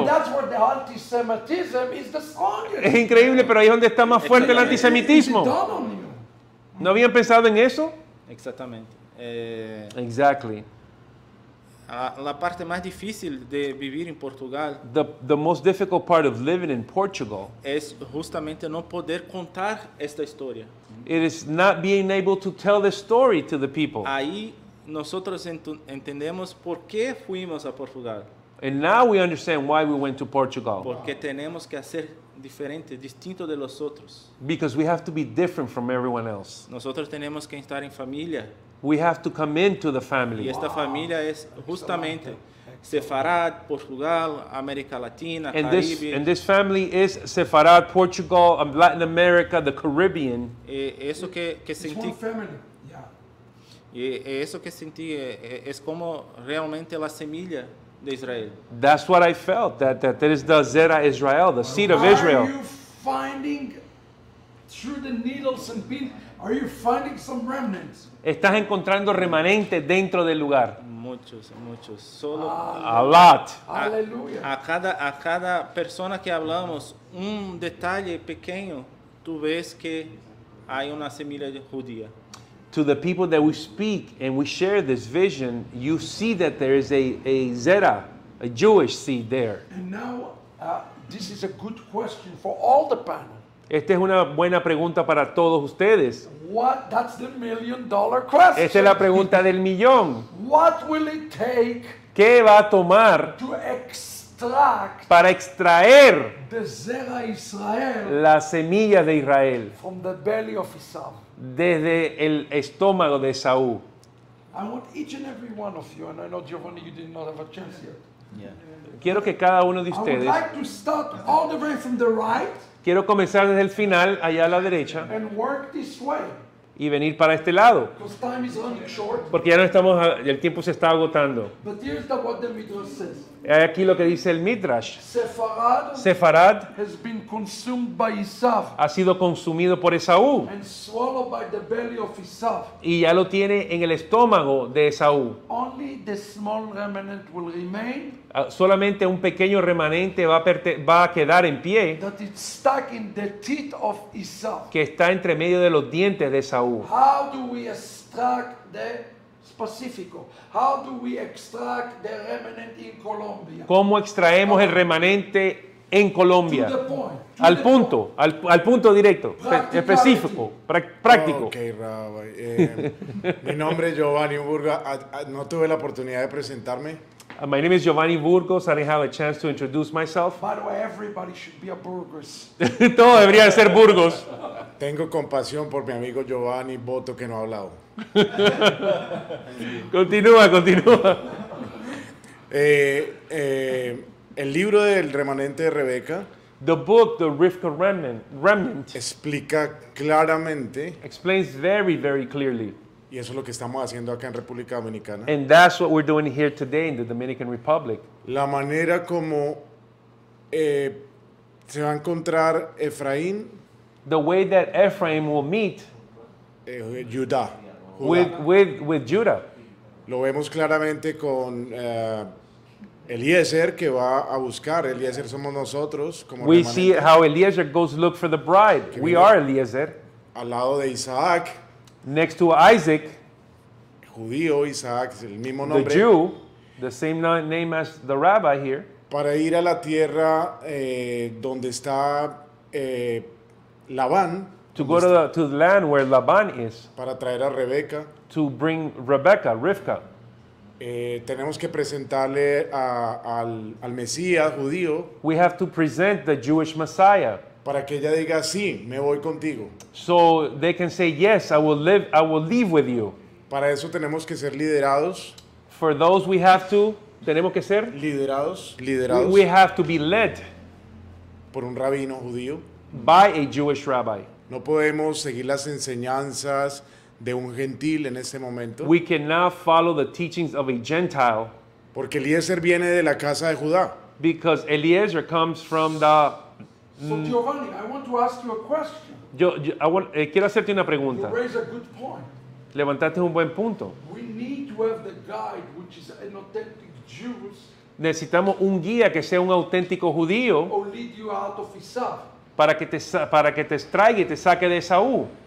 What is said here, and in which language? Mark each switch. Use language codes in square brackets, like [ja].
[en] And that's where the anti-Semitism is the strongest. [es] Es increíble, pero ahí es donde está más fuerte el antisemitismo. ¿No habían pensado en eso? Exactamente. [en] Exactly. [es] La parte más difícil de vivir en Portugal. [en] The most difficult part of living in Portugal. [es] Es justamente no poder contar esta historia. [en] It is not being able to tell the story to the people. [es] Ahí nosotros entendemos por qué fuimos a Portugal. [en] And now we understand why we went to Portugal. [es] Porque tenemos que hacer diferente, distinto de los otros. [en] Because we have to be different from everyone else. [es] Nosotros tenemos que estar en familia. [en] We have to come into the family. [es] Y esta familia es justamente Sefarad, Portugal, América Latina, [en] Caribe. And this family is Sefarad, Portugal, Latin America, the Caribbean. [es] Eso que sentí. [en] It's one family. Yeah. [es] Y eso que sentí es como realmente la semilla de Israel. [en] That's what I felt, that there is the Zera Israel, the seed of Israel. Are you finding through the needles and pins? Are you finding some remnants? [es] Estás encontrando remanentes dentro del lugar. Muchos, muchos. Solo [en] a lot. [es] Aleluya. A cada persona que hablamos, un detalle pequeño, tú ves que hay una semilla judía. [en] To the people that we speak and we share this vision, you see that there is a Zera, a Jewish seed there. And now, this is a good question for all the panel. [es] Esta es una buena pregunta para todos ustedes. [en] What? That's the $1 million question. [es] Esta es la pregunta del millón. [en] What will it take? [es] ¿Qué va a tomar? [en] To extract. [es] Para extraer. [en] The Zera Israel. [es] La semilla de Israel. [en] From the belly of Esau. [es] Desde el estómago de Esaú. [en] I want each and every one of you, and I know Giovanni, you did not have a chance yet. [es] Yeah. Quiero que cada uno de ustedes. [en] I would like to start all the way from the right. [es] Quiero comenzar desde el final, allá a la derecha. [en] And work this way. [es] Y venir para este lado. [en] Because time is running short. [es] Porque ya no estamos, el tiempo se está agotando. [en] But here's what the Midrash says. [es] Hay aquí lo que dice el Midrash. [en] Sefarad has been consumed by Esav. [es] Ha sido consumido por Esaú. [en] And swallowed by the belly of Esav. [es] Y ya lo tiene en el estómago de Esaú. [en] Only the small remnant will remain. [es] Solamente un pequeño remanente va a quedar en pie. [en] That it's stuck in the teeth of Esav. [es] Que está entre medio de los dientes de Esaú. [en] How do we extract the Pacífico. How do we extract the remnant in Colombia? [es] ¿Cómo extraemos el remanente en Colombia? [en] To the point. [es] Al punto, al punto directo, específico, práctico. Ok, Rabbi. mi nombre es Giovanni Burgos. No tuve la oportunidad de presentarme. [en] My name is Giovanni Burgos. I didn't have a chance to introduce myself. By the way, everybody should be a Burgos. [es] Todo debería ser Burgos. Tengo compasión por mi amigo Giovanni Boto que no ha hablado. continúa. El libro del remanente de Rebeca. [en] The book, The Rivka Remnant, [es] explica claramente. [en] Explains very, very clearly. [es] Y eso es lo que estamos haciendo acá en República Dominicana. [en] And that's what we're doing here today in the Dominican Republic. [es] La manera como se va a encontrar Efraín. [en] The way that Ephraim will meet. Judah. With Judah. [es] Lo vemos claramente con Eliezer, que va a buscar. Eliezer somos nosotros. Como [en] we see how Eliezer goes to look for the bride. We are Eliezer. [es] Al lado de Isaac. [en] Next to Isaac. [es] Judío, Isaac, el mismo nombre. [en] The Jew, the same name as the rabbi here. [es] Para ir a la tierra donde está Labán. [en] To go to the land where Labán is. [es] Para traer a Rebeca. [en] To bring Rebecca, Rivka. [es] Tenemos que presentarle al Mesías judío. [en] We have to present the Jewish Messiah. [es] Para que ella diga sí, me voy contigo. [en] So they can say yes, I will leave with you. [es] Para eso tenemos que ser liderados. [en] For those we have to, [es] tenemos que ser liderados. [en] We have to be led [es] por un rabino judío. [en] By a Jewish rabbi. [es] No podemos seguir las enseñanzas de un gentil en ese momento. [en] We cannot follow the teachings of a gentile. [es] Porque Eliezer viene de la casa de Judá. [en] Because Eliezer comes from the. So Giovanni, I want to ask you a question. [es] Quiero hacerte una pregunta. [en] You raise a good point. [es] Levantaste un buen punto. [en] We need to have the guide, which is an authentic Jew. [es] Necesitamos un guía que sea un auténtico judío. [en] Or lead you out of Esav. [es] Para que te extraiga y te saque de Esaú.